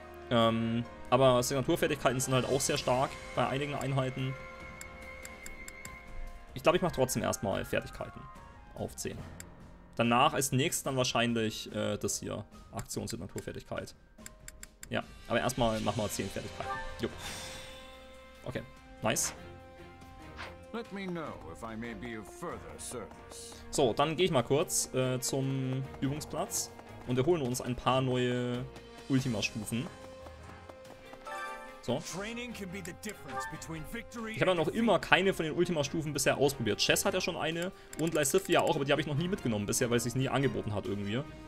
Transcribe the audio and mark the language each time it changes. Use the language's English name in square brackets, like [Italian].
[German] Aber Signaturfertigkeiten sind halt auch sehr stark bei einigen Einheiten. Ich glaube, ich mache trotzdem erstmal Fertigkeiten auf 10. Danach als nächstes dann wahrscheinlich das hier. Aktionssignaturfertigkeit. Ja, aber erstmal machen wir 10 Fertigkeiten. Jo. Okay, nice. [English] Let me know if I may be of further service. [German] So, dann gehe ich mal kurz zum Übungsplatz und erholen uns ein paar neue Ultima-Stufen. So. Ich habe ja noch immer keine von den Ultima-Stufen bisher ausprobiert. Chess hat ja schon eine und Lysithia auch, aber die habe ich noch nie mitgenommen bisher, weil es sich nie angeboten hat irgendwie.